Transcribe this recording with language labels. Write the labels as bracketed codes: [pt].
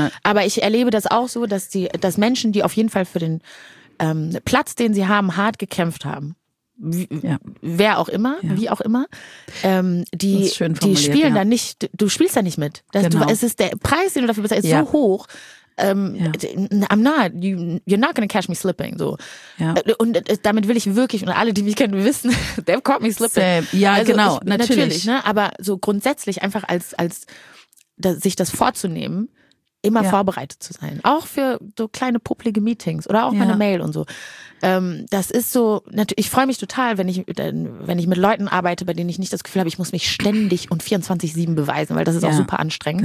[de] Aber ich erlebe das auch so, dass dass Menschen, die auf jeden Fall für den Platz, den sie haben, hart gekämpft haben. Wer auch immer, wie auch immer, die spielen da nicht, du spielst da nicht mit. Es ist der Preis, den du dafür bezahlst, ist so hoch. [en] You're not gonna catch me slipping. So. [de] Ja. Und damit will ich wirklich, und alle, die mich kennen, wissen, [en] they've caught me slipping. Same. [de] Ja, also genau, natürlich. Ne, aber so grundsätzlich einfach sich das vorzunehmen, immer vorbereitet zu sein. Auch für so kleine popelige Meetings oder auch meine Mail und so. Das ist so, ich freue mich total, wenn ich mit Leuten arbeite, bei denen ich nicht das Gefühl habe, ich muss mich ständig und 24/7 beweisen, weil das ist auch super anstrengend.